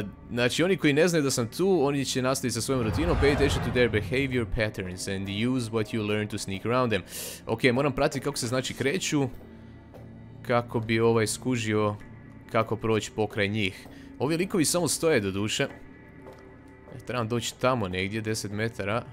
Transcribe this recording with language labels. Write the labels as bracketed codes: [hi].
[hr] Znači, oni koji ne znaju da sam tu, oni će nastaviti sa svojom rutinom. [en] Pay attention to their behavior patterns and use what you learn to sneak around them. [hr] Okej, moram pratiti kako se znači kreću, kako bi ovaj skužio kako proći pokraj njih. Ovi likovi samo stoje do duše. Trebam doći tamo negdje, 10 metara.